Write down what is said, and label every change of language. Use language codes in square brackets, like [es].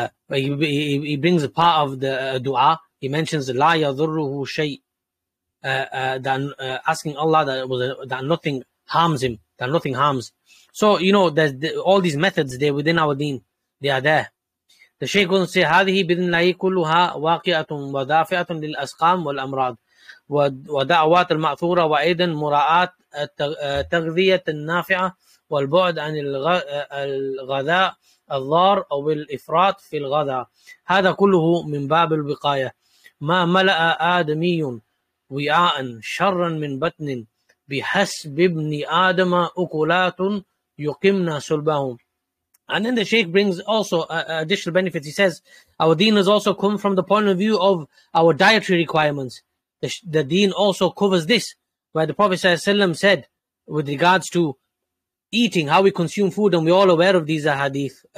[en] He brings a part of the du'a. He mentions [ar] la yadhurruhu shay, [en] asking Allah that nothing harms him, that nothing harms. So, you know, all these methods, they're within our deen. They are there. The Shaykh will say, [ar] هذه بإذن الله كلها واقعة ودافعة للأسقام والأمراض ودعوات المأثورة وأيضا مراعاة التغذية النافعة والبعد عن الغذاء الضار أو الإفراط في الغذاء هذا كله من باب الوقاية ما ملأ آدمي وعاء شرا من بطن بحسب ابن آدم أكلات يقمن سلبهم. [en] And then the Shaykh brings also additional benefits. He says our deen has also come from the point of view of our dietary requirements. The deen also covers this, where the Prophet ﷺ said with regards to eating, how we consume food, and we're all aware of these hadith.